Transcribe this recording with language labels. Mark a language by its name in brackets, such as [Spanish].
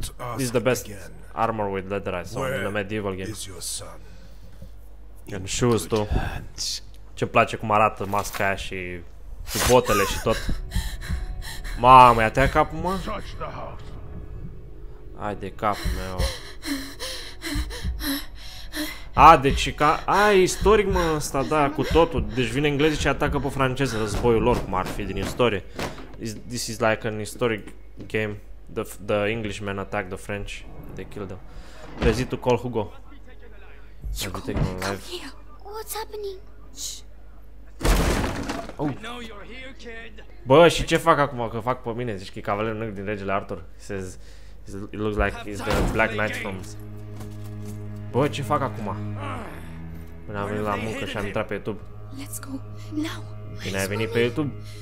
[English] This is the best armor with leather I saw in the medieval game. Where is your son? In shoes too. [Romanian] Ce-mi place cum arată masca aia și cu botele și tot. Mamă, ia-te-a capul, mă? Hai de capul meu. A, deci ca... A, e istoric, mă, ăsta, da, cu totul. Deci vine englezii și atacă pe francezi, războiul lor, cum ar fi din istorie. [English] This is like an historic game. The Englishmen attack the French. They kill them. Ready to call Hugo. You can't come here. What's happening? Shh. Oh. [Romanian] Bă, și ce fac acum că fac pe mine? Zici că e cavalerul negru din Regele Arthur. [English] It looks like he's the Black Knight from... [Romanian] Bă, ce fac acum? Până am venit la muncă și am intrat pe YouTube. [English] Let's go now. [Romanian] Bine, ai venit pe YouTube?